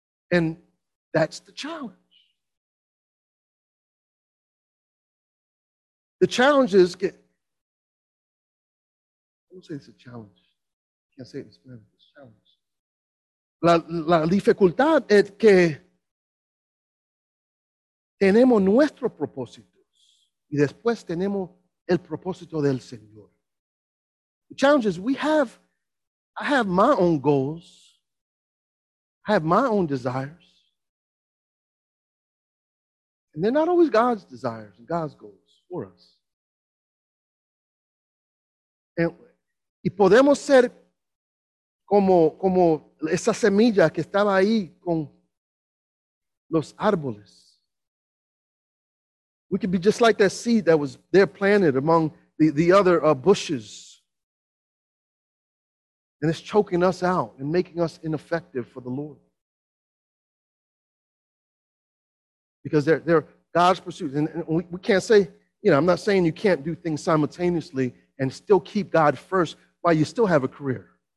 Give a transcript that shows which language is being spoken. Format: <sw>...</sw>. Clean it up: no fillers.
<en>And that's the challenge. The challenge is, can't say it in Spanish, it's a challenge.</en> <es>La dificultad es que tenemos nuestros propósitos y después tenemos el propósito del Señor.</es> <en>The challenge is I have my own goals. I have my own desires. And they're not always God's desires and God's goals for us.</en> <es>Y podemos ser como esa semilla que estaba ahí con los árboles.</es> <en>We could be just like that seed that was there planted among the other bushes. And it's choking us out and making us ineffective for the Lord. Because they're God's pursuits. And we can't say, you know, I'm not saying you can't do things simultaneously and still keep God first while you still have a career.</en>